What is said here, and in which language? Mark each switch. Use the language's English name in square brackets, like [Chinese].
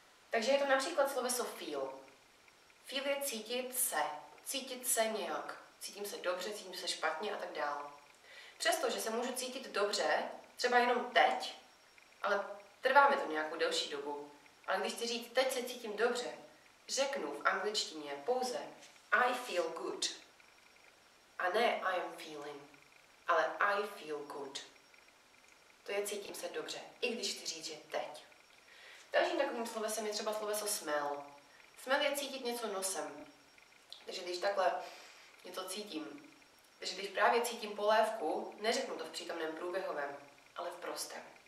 [Czech] Takže je to například sloveso feel. Feel je cítit se nějak. Cítím se dobře, cítím se špatně a tak dál. Přesto, že se můžu cítit dobře, třeba jenom teď, ale trvá mi to nějakou delší dobu. Ale když chci říct, teď se cítím dobře, řeknu v angličtině pouze [English] I feel good. [Czech] A ne [English] I am feeling, [Czech] ale [English] I feel good. [Czech] To je cítím se dobře, i když chci říct, že teď. Dalším takovým slovesem je třeba sloveso smell. Smell je cítit něco nosem. Takže když takhle něco cítím, takže když právě cítím polévku, neřeknu to v přítomném průběhovém, ale v prostém.